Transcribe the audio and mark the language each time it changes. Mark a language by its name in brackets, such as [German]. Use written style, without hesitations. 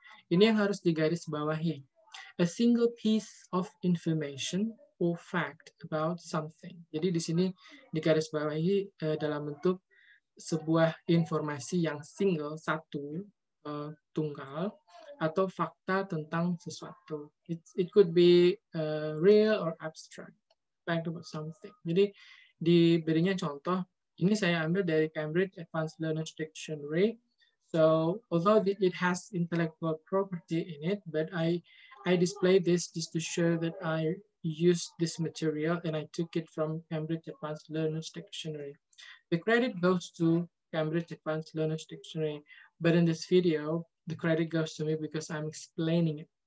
[Indonesian] Ini yang harus digarisbawahi. [English] A single piece of information or fact about something. [Indonesian] Jadi di sini digarisbawahi dalam bentuk sebuah informasi yang single, satu, tunggal, atau fakta tentang sesuatu. [English] It could be real or abstract, fact about something. [Indonesian] Jadi diberinya contoh, ini saya ambil dari Cambridge Advanced Learner's Dictionary. [English] So, although it has intellectual property in it, but I display this just to show that I used this material and I took it from Cambridge Advanced Learner's Dictionary. The credit goes to Cambridge Advanced Learner's Dictionary, but in this video, the credit goes to me because I'm explaining it.